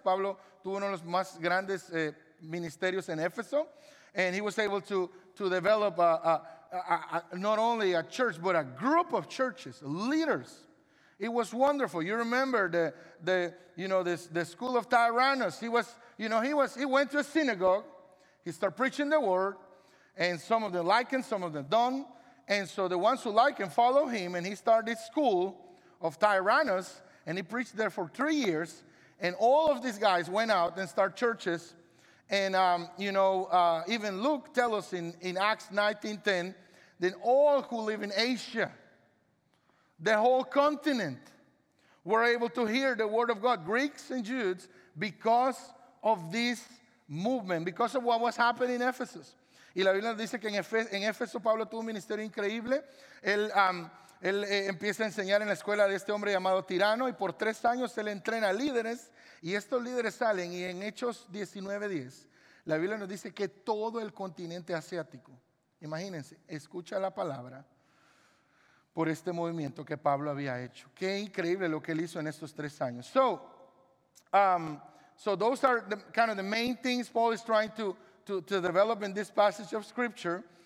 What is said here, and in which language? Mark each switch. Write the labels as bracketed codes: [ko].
[es] Pablo tuvo uno de los más grandes ministerios en Éfeso. [en] And he was able to develop not only a church, but a group of churches, leaders. It was wonderful. You remember the school of Tyrannus. He went to a synagogue. He started preaching the word, and some of them like him, some of them don't. And so the ones who like him follow him, and he started this school of Tyrannus, and he preached there for 3 years. And all of these guys went out and started churches. And even Luke tells us in Acts 19:10, then all who live in Asia, the whole continent, were able to hear the word of God, Greeks and Jews, because of this movement, because of what was happening in Ephesus. [es] Y la Biblia dice que en Éfeso Pablo tuvo un ministerio increíble. Él empieza a enseñar en la escuela de este hombre llamado Tirano, y por 3 años él entrena líderes, y estos líderes salen, y en Hechos 19:10, la Biblia nos dice que todo el continente asiático, imagínense, escucha la palabra, por este movimiento que Pablo había hecho. Qué increíble lo que él hizo en estos 3 años. [en] So those are the kind of the main things Paul is trying to develop in this passage of scripture.